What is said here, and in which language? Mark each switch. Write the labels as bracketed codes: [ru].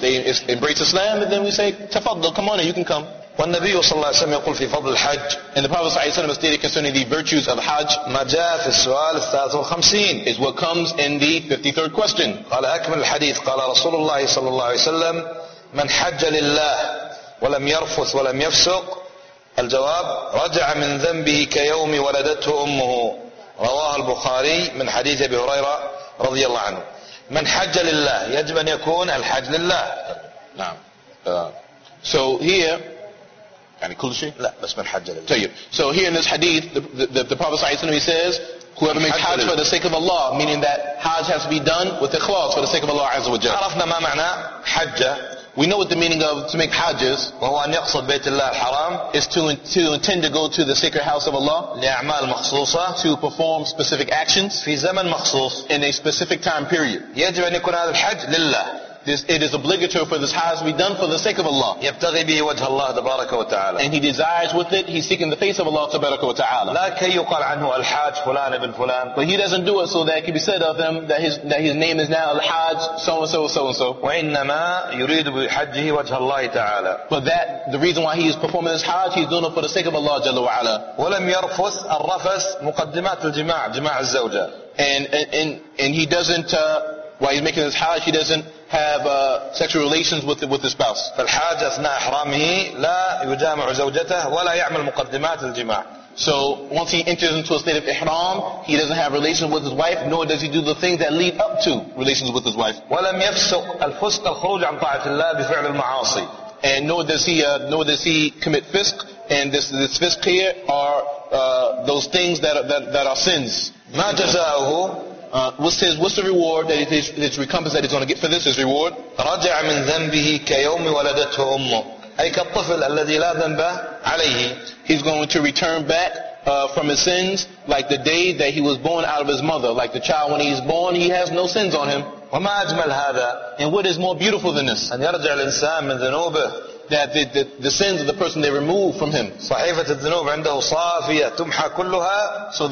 [en] They embrace Islam and then we say تفضل come on you can come. [ar] والنبي صلى الله عليه وسلم يقول في فضل الحج [en] and the Prophet [ar] صلى الله عليه وسلم [en] stated concerning the virtues of Hajj [ar] ما جاء في السؤال 53 [en] is what comes in the 53rd question [ar] قال أكمل الحديث قال رسول الله صلى الله عليه وسلم من حج لله ولم يرفث ولم يفسق الجواب رجع من ذنبه كيوم ولدته أمه رواه البخاري من حديث أبي هريرة رضي الله عنه من حج لله يجب أن يكون الحج لله نعم [en] so here [ar] يعني كل شيء لا بس من حج لله [en] طيب so here in this hadith the Prophet [ar] صلى الله عليه وسلم [en] says whoever makes hajj for the sake of Allah meaning that hajj has to be done with ikhlas for the sake of Allah [ar] عز وجل عرفنا ما معنى حج [en] we know what the meaning of to make hajj is [ar] وهو أن يقصد بيت الله الحرام [en] is to intend to go to the sacred house of Allah [ar] لأعمال مخصوصة [en] to perform specific actions [ar] في زمن مخصوص [en] in a specific time period [ar] يجب أن يكون هذا الحج لله [en] It is obligatory for this Hajj to be done for the sake of Allah. [ar] يبتغي به وجه الله تبارك وتعالى. [en] And he desires with it, he's seeking the face of Allah [ar] تبارك وتعالى. لا كي يقال عنه الحاج فلان ابن فلان. [en] But he doesn't do it so that it can be said of him that his name is now الحاج so and so so and so. [ar] وإنما يريد بحجه وجه الله تعالى. [en] But that the reason why he is performing this Hajj, he's doing it for the sake of Allah [ar] جل وعلا. ولم يرفث الرفث مقدمات الجماع جماع الزوجة. [en] And he doesn't while he's making this Hajj, he doesn't have sexual relations with his spouse. [ar] فالحاج أثناء إحرامه لا يجامع زوجته ولا يعمل مقدمات الجماع. [en] So once he enters into a state of ihram, he doesn't have relations with his wife, nor does he do the things that lead up to relations with his wife. [ar] ولم يفسق الفسق الخروج عن طاعة الله بفعل المعاصي. [en] And nor does he commit fisq. And this fisq here are those things that are sins. [ar] ما جزاؤه؟ [en] What's the reward that it's recompense that he's going to get for this? His reward. [ar] رجع من ذنبه كيوم ولدته أمه. أي كالطفل الذي لا ذنب عليه. [en] He's going to return back from his sins like the day that he was born out of his mother, like the child when he's born, he has no sins on him. [ar] وما أجمل هذا؟ [en] And what is more beautiful than this? [ar] أن يرجع الإنسان من ذنوبه. [en] That the sins of the person they remove from him. [ar] صحيفة الذنوب عنده صافية تمحى كلها.